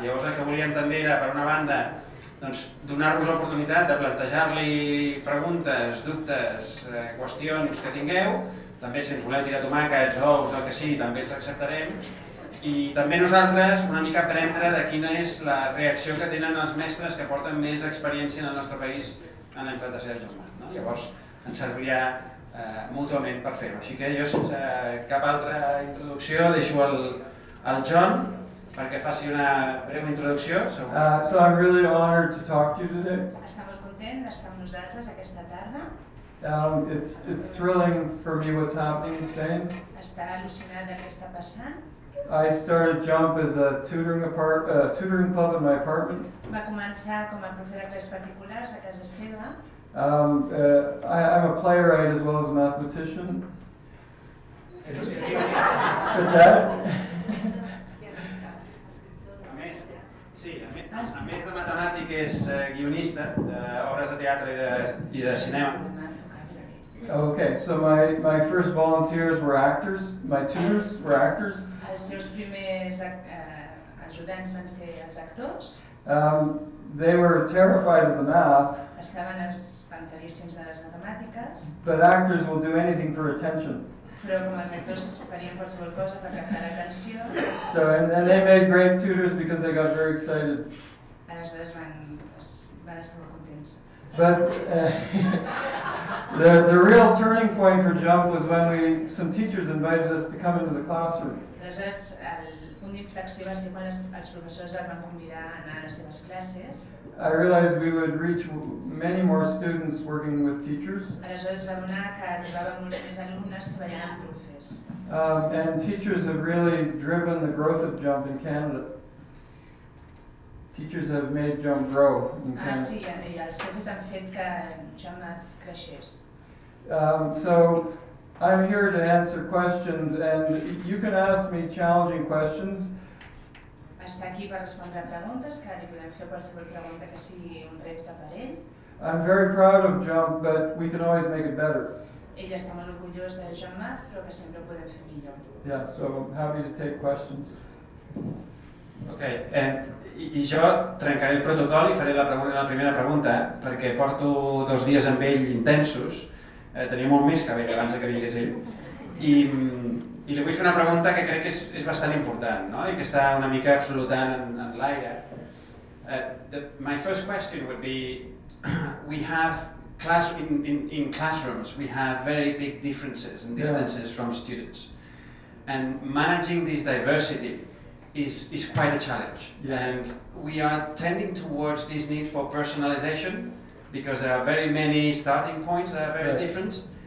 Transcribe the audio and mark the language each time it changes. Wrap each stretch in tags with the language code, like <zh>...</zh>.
<ca>Llavors el que volíem també era, per una banda, doncs, donar-vos l'oportunitat de plantejar-li preguntes, dubtes, qüestions que tingueu, també si ens voleu tirar tomàquets, ous, el que sigui, també els acceptarem, i també nosaltres una mica aprendre de quina és la reacció que tenen els mestres que porten més experiència en el nostre país en la implantació de Joan Marc, no? Llavors ens serviria mútuament per fer-ho. Així que jo, sense cap altra introducció, deixo el John perquè faci una breu introducció.</ca> <en>So I'm really honored to talk to you today.</en> <ca>Està molt content d'estar amb nosaltres aquesta tarda.</ca> <en>It's thrilling for me what's happening in Spain.</en> <ca>Està al·lucinant el que està passant.</ca> <en>I started JUMP as a tutoring club in my apartment.</en> <ca>Va començar com a profe de classes particulars a casa seva.</ca> <en>I'm a playwright as well as a mathematician. What's that?</en> <ca>A més de matemàtic, és guionista d'obres de teatre i de cinema.</ca> <en>Okay, so my first volunteers were actors. My tutors were actors.</en> <ca>Els seus primers ajudants van ser els actors.</ca> <en>They were terrified of the math.</en> <ca>Estaven espantadíssims de les matemàtiques.</ca> <en>But actors will do anything for attention.</en> <ca>Però com els actors farien qualsevol cosa per captar l'atenció.</ca> <en>So and they made great tutors because they got very excited.</en> <ca>Aleshores van estar molt contents.</ca> <en>But the real turning point for JUMP was when some teachers invited us to come into the classroom.</en> <ca>Aleshores, el punt d'inflexió va ser quan els professors el van convidar a anar a les seves classes.</ca> <en>I realized we would reach many more students working with teachers.</en> <ca>Aleshores, va donar que arribava molts més alumnes treballant amb profes.</ca> <en>And teachers have really driven the growth of JUMP in Canada. Teachers have made JUMP grow in Canada.</en> <ca>Ah, sí, i els profes han fet que JUMP creixés.</ca> <en>So I'm here to answer questions, and you can ask me challenging questions.</en> <ca>Està aquí per respondre preguntes, que li podem fer qualsevol pregunta que sigui un repte per ell.</ca> <en>I'm very proud of JUMP, but we can always make it better.</en> <ca>Ell està molt orgullós de JUMP, però que sempre ho podem fer millor.</ca> <en>Yeah, so happy to take questions.</en> <ca>Okay, I jo trencaré el protocol i faré la primera pregunta, perquè porto dos dies amb ell intensos. Tenia molt més que veig abans que vingués ell. I li vull fer una pregunta que crec que és bastant important, no? I que està una mica flotant en l'aire.</ca> <en>My first question would be, we have in classrooms, we have very big differences and distances from students. And managing this diversity is quite a challenge. Yeah. And we are tending towards this need for personalization, because there are very many starting points that are very different.</en>